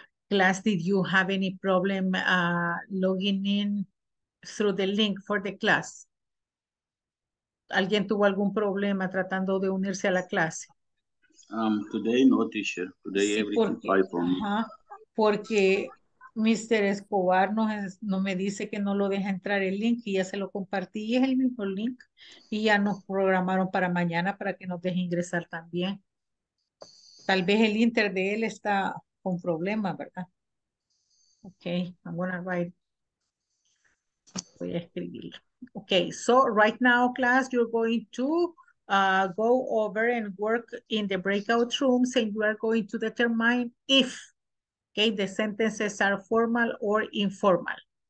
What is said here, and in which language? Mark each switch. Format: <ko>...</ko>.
<en>Class, did you have any problem logging in through the link for the class?</en> <es>¿Alguien tuvo algún problema tratando de unirse a la clase?</es> <en>Today, no, teacher. Today,</en> <es>sí,</es> <en>everything fine for me.</en> <es>Porque Mr. Escobar no me dice que no lo deja entrar el link y ya se lo compartí y es el mismo link. Y ya nos programaron para mañana para que nos deje ingresar también. Tal vez el inter de él está con problemas, ¿verdad?</es> <en>Ok, I'm gonna write.</en> <es>Voy a escribirlo.</es> <en>Okay, so right now, class, you're going to go over and work in the breakout rooms and you are going to determine if, okay, the sentences are formal or informal.</en>